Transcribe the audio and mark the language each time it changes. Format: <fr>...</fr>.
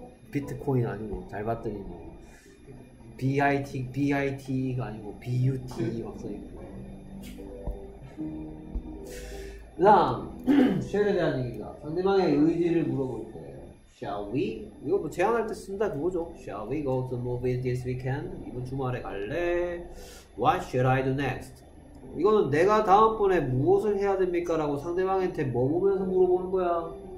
<ko>비트코인 아니고 잘 봤더니 뭐 BIT BIT가 아니고 BUT 막 써있고. 다음 쉘에 대한 얘기가 상대방의 의지를 물어볼 때</ko> <en>Shall we?</en> <ko>이거 뭐 제안할 때 쓴다 그거죠.</ko> <en>Shall we go to the movie this weekend?</en> <ko>이번 주말에 갈래?</ko> <en>What should I do next?</en> <ko>이거는 내가 다음번에 무엇을 해야 됩니까? 라고 상대방한테 뭐 보면서 물어보는 거야.</ko>